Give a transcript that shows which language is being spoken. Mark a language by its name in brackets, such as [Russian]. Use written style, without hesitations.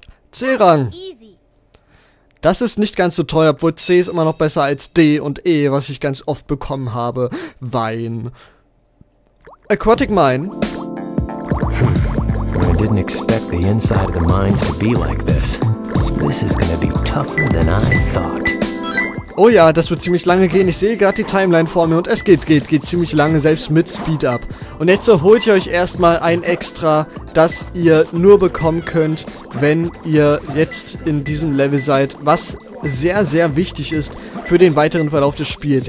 [German] C-Rang. Das ist nicht ganz so teuer, obwohl C ist immer noch besser als D und E, was ich ganz oft bekommen habe. Wein. Aquatic Mine. [English] I didn't expect the inside of the mines to be like this. This is gonna be tougher than I thought. [German] Oh ja, das wird ziemlich lange gehen. Ich sehe gerade die Timeline vor mir und es geht ziemlich lange, selbst mit Speed-Up. Und jetzt holt ihr euch erstmal ein Extra, das ihr nur bekommen könnt, wenn ihr jetzt in diesem Level seid, was sehr, sehr wichtig ist für den weiteren Verlauf des Spiels.